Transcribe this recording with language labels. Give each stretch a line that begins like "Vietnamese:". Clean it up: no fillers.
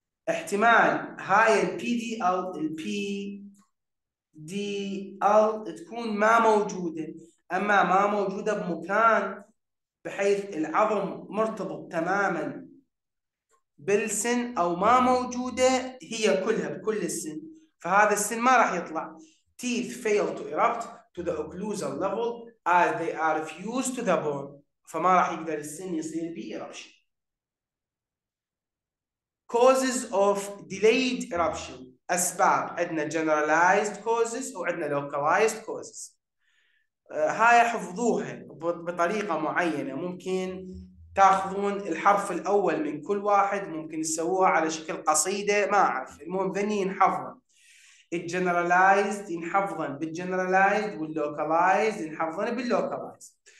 Arabic: احتمال هاي البي دي ال البي دي ال تكون ما موجوده، اما ما موجوده بمكان بحيث العظم مرتبط تماما بالسن، او ما موجوده هي كلها بكل السن، فهذا السن ما راح يطلع.
English: Teeth fail to erupt to the occlusal level as they are fused to the bone.
Arabic: فما راح يقدر السن يصير بي eruption.
English: Causes of delayed eruption.
Arabic: أسباب عندنا generalized causes وعندنا localized causes. هاي حفظوها بطريقة معينة، ممكن تاخذون الحرف الأول من كل واحد، ممكن تسووها على شكل قصيدة، ما أعرف، المهم ذني ينحفظها. الجنراليزد ينحفظن بالجنراليزد، واللوكالايزد ينحفظن باللوكالايزد.